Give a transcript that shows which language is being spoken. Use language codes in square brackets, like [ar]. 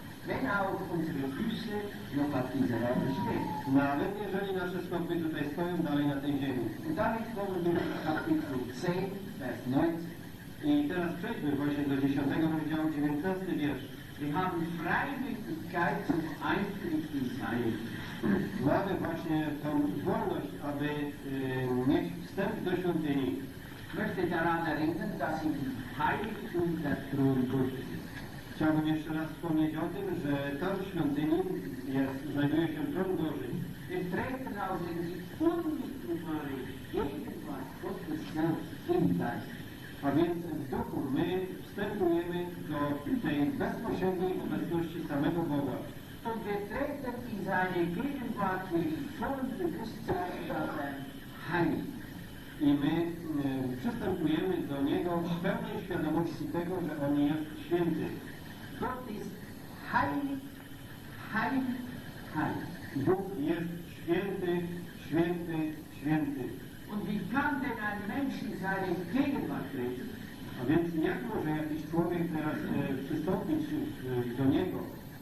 [de] Wenn auch unsere Füße noch auf dieser Erde stehen. [pl] Nawet jeżeli nasze stopy tutaj stoją dalej na tej ziemi. [de] Und damit kommen wir zu Kapitel 10, Vers 19. [pl] I teraz przejdźmy właśnie do 10 rozdziału, 19 wiersz. [de] Wir haben Freimütigkeit zum Eintritt in seine. [pl] Mamy właśnie tą wolność, aby mieć wstęp do świątyni. [de] Möchte daran erinnern, dass im Heiligtum der Thron Gottes. [pl] Chciałbym jeszcze raz wspomnieć o tym, że tam w świątyni znajduje się Tron Boży. [de] Wir treten aus dem unmittelbaren Gegenwart Gottes selbst im Geist. [pl] A więc w duchu my wstępujemy do tej bezpośredniej obecności samego Boga. [de] Und wir treten in seine Gegenwart mit vollem Bewusstsein, dass er heilig. [pl] I my przystępujemy do Niego w pełnej świadomości tego, że On jest święty. [de] Gott ist heilig, heilig, heilig. [pl] Bóg jest święty, święty, święty. [de] Und wie kann denn ein Mensch in seine Gegenwart treten? [pl] A więc jak może jakiś człowiek teraz przystąpić do Niego?